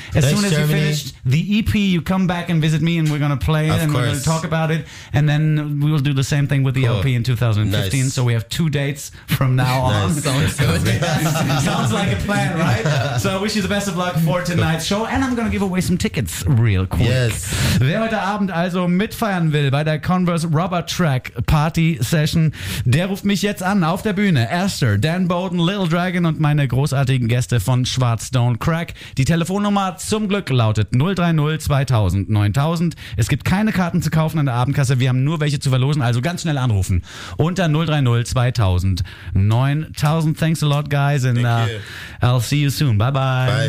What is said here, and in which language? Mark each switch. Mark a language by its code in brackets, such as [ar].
[en] As soon as you finish the EP, you come back and visit me and we're going to play it and we're going to talk about it. And then we'll do the same thing with the LP in 2015. Nice. So we have two dates from now on. Sounds like a plan, right? Yeah. So I wish you the best of luck for tonight's show. And I'm going to give away some tickets real quick. Yes. [de] Wer heute Abend also mitfeiern will bei der Converse Rubber Track Party Session, der ruft mich jetzt an auf der Bühne. Esther, Dan Bowden, Little Dragon und meine großartigen Gäste von Schwarzstone Crack. Die Telefonnummer zum Glück lautet 030 2000 9000. Es gibt keine Karten zu kaufen an der Abendkasse. Wir haben nur welche zu verlosen, also ganz schnell anrufen. Unter 030 2000 9000. [en] Thanks a lot, guys. And I'll see you soon. Bye-bye.